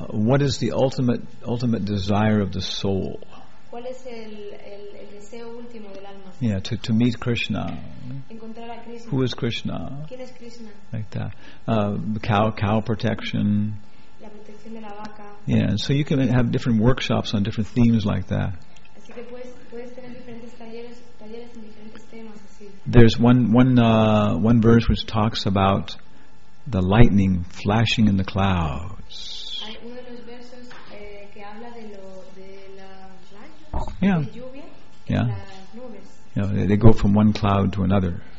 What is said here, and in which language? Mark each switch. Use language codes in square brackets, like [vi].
[en] What is the ultimate desire of the soul? [es] ¿Cuál es el deseo último del alma? [en] Yeah, to meet Krishna. [es] Encontrar a Krishna. [en] Who is Krishna? [es] ¿Quién es Krishna? [en] Like that. Cow protection. [es] La protección de la vaca. [en] Yeah, so you can have different workshops on different themes like that. [es] Así que puedes tener diferentes talleres en diferentes temas, así. [en] There's one verse which talks about the lightning flashing in the clouds. [es] Hay uno de los versos que habla de lo de la lluvia. [en] Yeah. Yeah. Nubes. You know, they go from one cloud to another.